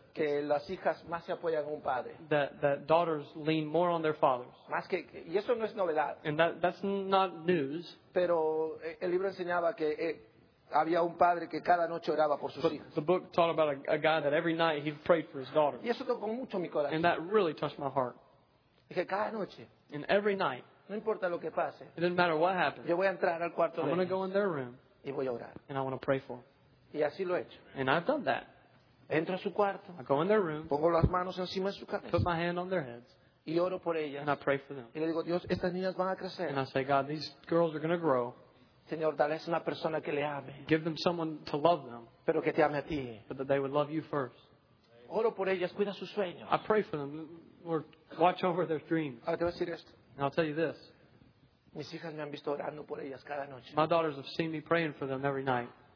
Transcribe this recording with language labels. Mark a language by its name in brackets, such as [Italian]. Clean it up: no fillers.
[Spanish] que las hijas más se apoyan a un padre. [English] That daughters lean more on their fathers. [Spanish] Más que y eso no es novedad. [English] And that's not news. [Spanish] Pero el libro enseñaba que había un padre que cada noche oraba por sus [English] but [Spanish] hijas. [English] The book taught about a guy that every night he prayed for his daughter. [Spanish] Y eso tocó mucho mi corazón. [English] And that really touched my heart. [Spanish] Dije cada noche. [English] And every night. [Spanish] No importa lo que pase. [English] It didn't matter what happened. [Spanish] Yo voy a entrar al cuarto [English] I'm going to go in their room. [Spanish] Y voy a orar. [English] And I want to pray for them. [Spanish] Y así lo he hecho. [English] And I've done that. [Spanish] Entro a su cuarto, [English] I go in their room. [Spanish] Pongo las manos encima de su cabeza, [English] put my hand on their heads. [Spanish] Y oro por ellas, [English] and I pray for them. [Spanish] Y le digo, Dios, estas niñas van a crecer. [English] And I say, God, these girls are going to grow. [Spanish] Señor, dales una persona que le ame. [English] Give them someone to love them. [Spanish] Pero que te ame a ti. [English] But that they would love you first. [Spanish] Oro por ellas, cuida sus sueños. [English] I pray for them. Lord, watch over their dreams. [Spanish] Ahora te voy a decir esto. [English] And I'll tell you this. [Spanish] Mis hijas me han visto orando por ellas cada noche. [English] My daughters have seen me praying for them every night.